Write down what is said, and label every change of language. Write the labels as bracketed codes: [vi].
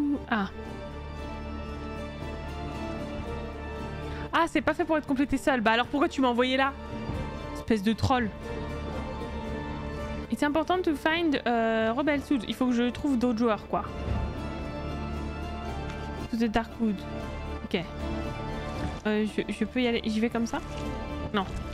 [fr] Ah. Ah, c'est pas fait pour être complété seul. Bah alors pourquoi tu m'as envoyé là? Espèce de troll. [en] It's important to find Rebel Suit. [fr] Il faut que je trouve d'autres joueurs, quoi. To the Darkwood. Ok. Je peux y aller. J'y vais comme ça? Non.